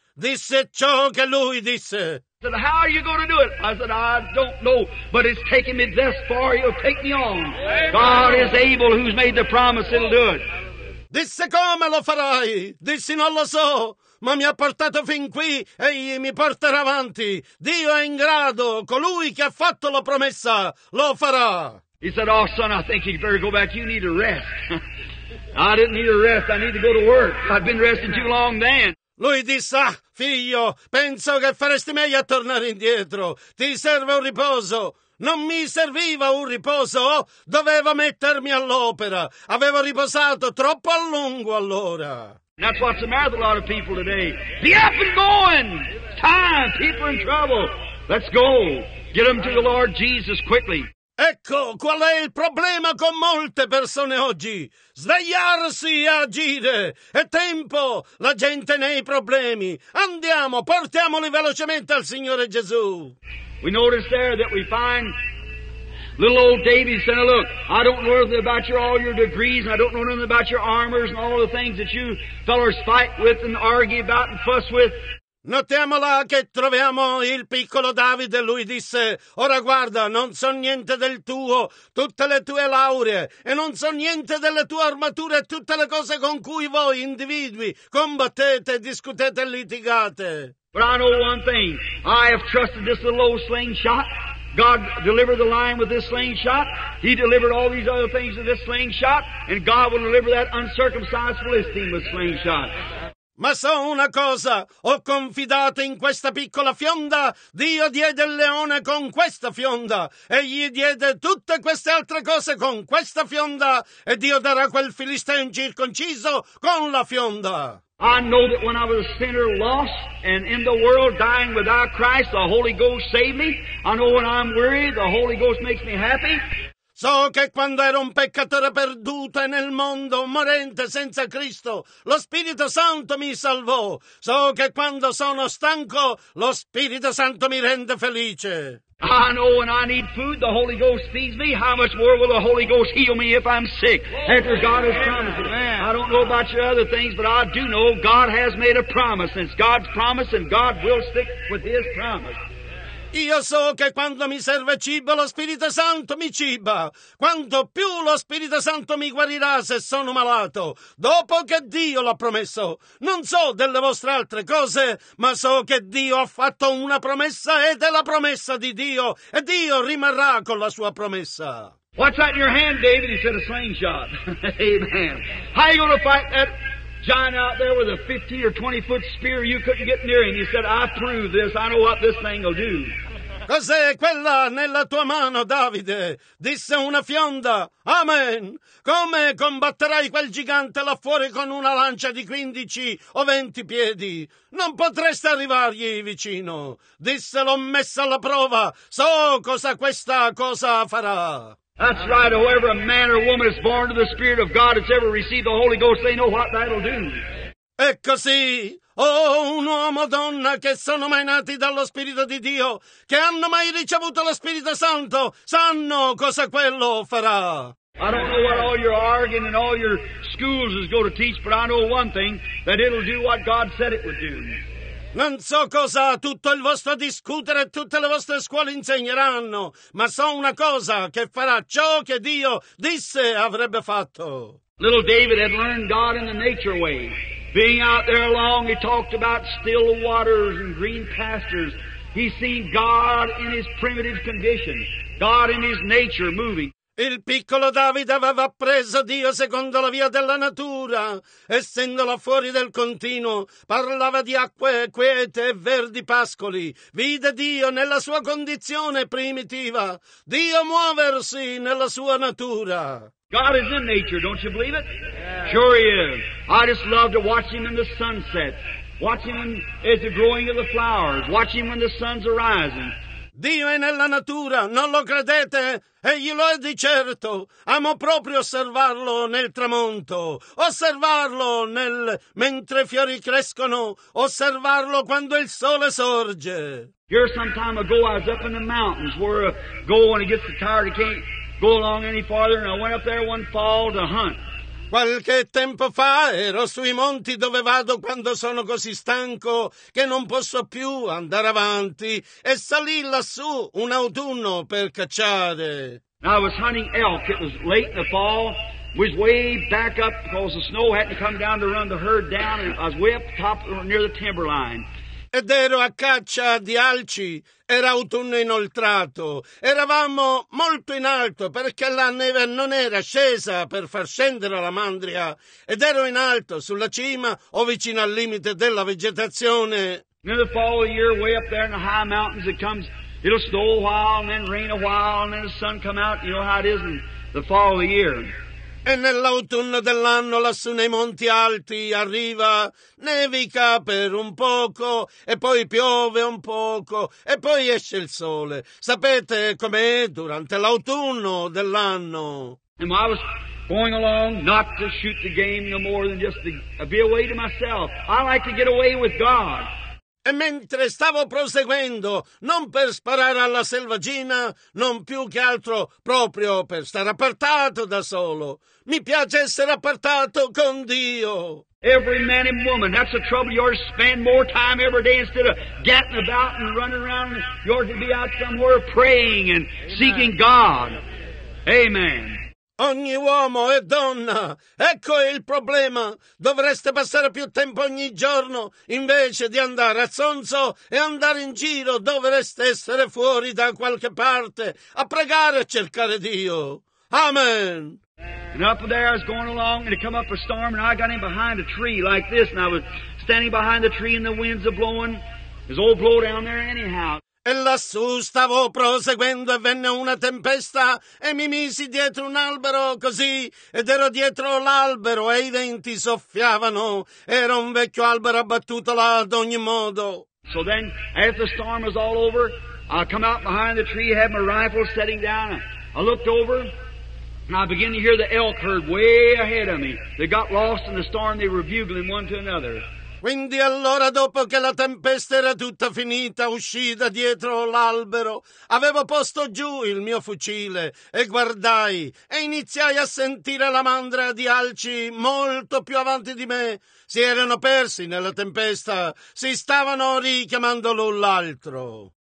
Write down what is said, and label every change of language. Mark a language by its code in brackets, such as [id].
[it] Disse ciò che lui disse. [en] Said, how are you going to do it? I said, I don't know, but it's taking me this far, he'll take me on. Amen. God is able, who's made the promise, he'll do it. [it] Disse, come lo farai? Dissi, non lo so, ma mi ha portato fin qui, egli mi porterà avanti. Dio è in grado, colui che ha fatto la promessa, lo farà. [en] He said, oh, son, I think you'd better go back. You need a rest. I didn't need a rest. I need to go to work. I've been resting too long then. [it] Lui disse, ah, figlio, penso che faresti meglio a tornare indietro. Ti serve un riposo. Non mi serviva un riposo. Dovevo mettermi all'opera. Avevo riposato troppo a lungo allora. [en] And that's what's the matter with a lot of people today. Be up and going. Time. People in trouble. Let's go. Get them to the Lord Jesus quickly. [it] Ecco qual è il problema con molte persone oggi. Svegliarsi e agire. È tempo. La gente nei problemi. Andiamo, portiamoli velocemente al Signore Gesù. [en] We notice there that we find little old David saying, look, I don't know anything about your, all your degrees, and I don't know anything about your armors and all the things that you fellers fight with and argue about and fuss with. [it] Notiamo là che troviamo il piccolo Davide. Lui disse: ora guarda, non so niente del tuo, tutte le tue lauree, e non so niente delle tue armature e tutte le cose con cui voi individui combattete, discutete e litigate. [en] But I know one thing, I have trusted this little old slingshot. God delivered the lion with this slingshot. He delivered all these other things with this slingshot, and God will deliver that uncircumcised Philistine with slingshot. [it] Ma so una cosa, ho confidato in questa piccola fionda, Dio diede il leone con questa fionda, e gli diede tutte queste altre cose con questa fionda, e Dio darà quel Filisteo incirconciso con la fionda. [en] I know that when I was a sinner lost and in the world dying without Christ, the Holy Ghost saved me. I know when I'm weary, the Holy Ghost makes me happy. [it] So che quando ero un peccatore perduto e nel mondo morente senza Cristo, lo Spirito Santo mi salvò. So che quando sono stanco, lo Spirito Santo mi rende felice. [en] I know when I need food, the Holy Ghost feeds me. How much more will the Holy Ghost heal me if I'm sick? After God has promised me. I don't know about your other things, but I do know God has made a promise. It's God's promise, and God will stick with His promise. [it] Io so che quando mi serve cibo, lo Spirito Santo mi ciba. Quanto più lo Spirito Santo mi guarirà se sono malato, dopo che Dio l'ha promesso. Non so delle vostre altre cose, ma so che Dio ha fatto una promessa ed è la promessa di Dio, e Dio rimarrà con la sua promessa. [en] What's that in your hand, David? He said a slingshot. Amen. How you gonna fight that giant out there with a 15 or 20 foot spear you couldn't get near him? He said, I prove this, I know what this thing will do. [it] Cos'è quella nella tua mano, Davide? Disse una fionda. Amen. Come combatterai quel gigante là fuori con una lancia di 15 o 20 piedi? Non potresti arrivargli vicino. Disse, l'ho messa alla prova. So cosa questa cosa farà. [en] That's right, whoever a man or woman is born of the Spirit of God has ever received the Holy Ghost, they know what that'll do. [it] È così. Oh, un uomo o donna che sono mai nati dallo Spirito di Dio, che hanno mai ricevuto lo Spirito Santo, sanno cosa quello farà. [en] I don't know what all your arguing and all your schools is going to teach, but I know one thing, that it'll do what God said it would do. [it] Non so cosa tutto il vostro discutere e tutte le vostre scuole insegneranno, ma so una cosa, che farà ciò che Dio disse avrebbe fatto. [en] Little David had learned God in the nature way. Being out there along, he talked about still waters and green pastures. He seen God in his primitive condition, God in his nature moving. [it] Il piccolo Davide aveva appreso Dio secondo la via della natura, essendola fuori del continuo, parlava di acque quiete e verdi pascoli, vide Dio nella sua condizione primitiva, Dio muoversi nella sua natura. [en] God is in nature, don't you believe it? Sure he is. I just love to watch him in the sunset, watch him as the growing of the flowers, watch him when the sun's arising. [it] Dio è nella natura, non lo credete? Egli lo è di certo. Amo proprio osservarlo nel tramonto, osservarlo nel mentre i fiori crescono, osservarlo quando il sole sorge. [en] Here some time ago I was up in the mountains where I go when it gets tired, I can't go along any farther, and I went up there one fall to hunt. [it] Qualche tempo fa ero sui monti dove vado quando sono così stanco che non posso più andare avanti e salì lassù un autunno per cacciare. [en] I was hunting elk. It was late in the fall. I was way back up because the snow hadn't come down to run the herd down. And I was way up top near the timber line. [it] Ed ero a caccia di alci. Era autunno inoltrato. Eravamo molto in alto perché la neve non era scesa per far scendere la mandria. Ed ero in alto, sulla cima o vicino al limite della vegetazione. [en] In the fall of the year, way up there in the high mountains, it comes, it'll snow a while and then rain a while and then the sun come out. You know how it is in the fall of the year. [it] E nell'autunno dell'anno lassù nei monti alti arriva, nevica per un poco, e poi piove un poco, e poi esce il sole. Sapete com'è durante l'autunno dell'anno? [en] And I was going along not to shoot the game no more than just to be away to myself. I like to get away with God. [it] E mentre stavo proseguendo, non per sparare alla selvaggina, non più che altro proprio per stare appartato da solo. Mi piace essere appartato con Dio. [en] Every man and woman, that's the trouble. You're spend more time every day instead of gatting about and running around. You're to be out somewhere praying and seeking God. Amen. [it] Ogni uomo e donna, ecco il problema. Dovreste passare più tempo ogni giorno invece di andare a zonzo e andare in giro. Dovreste essere fuori da qualche parte a pregare e cercare Dio. Amen. [en] And up there I was going along and it come up a storm and I got in behind a tree like this and I was standing behind the tree and the winds are blowing. There's old blow down there anyhow. [it] E lassù stavo proseguendo e venne una tempesta e mi misi dietro un albero così ed ero dietro l'albero e i venti soffiavano. Era un vecchio albero abbattuto là ad ogni modo. [en] So then, as the storm was all over, I come out behind the tree, had my rifle setting down. I looked over and I began to hear the elk herd way ahead of me. They got lost in the storm, they were bugling one to another. [it] Quindi allora, dopo che la tempesta era tutta finita, uscì da dietro l'albero. Avevo posto giù il mio fucile e guardai e iniziai a sentire la mandra di alci molto più avanti di me. Si erano persi nella tempesta, si stavano richiamando l'un l'altro.